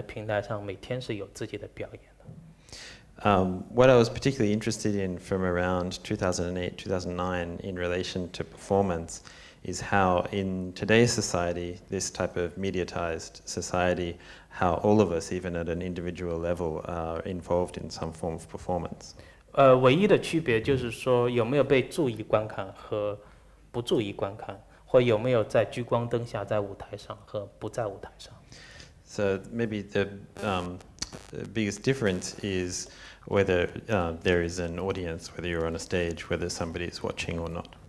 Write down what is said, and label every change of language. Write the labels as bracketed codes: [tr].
[zh] 就是说对于表演的思考呢，还是在零七、零八年、零九年的时候，我一直在想一个问题，就是作为一个艺术家，在今天的这样的一个媒体社会里边，其实包括每一个个人，他时刻不停的在不同的平台上，每天是有自己的表演。 [en] What I was particularly interested in from around 2008, 2009 in relation to performance is how in today's society, this type of mediatized society, how all of us, even at an individual level, are involved in some form of performance. [zh] 唯一的区别就是说有没有被注意观看和不注意观看，或有没有在聚光灯下在舞台上和不在舞台上。 [en] So maybe the biggest difference is whether there is an audience, whether you're on a stage, whether somebody is watching or not.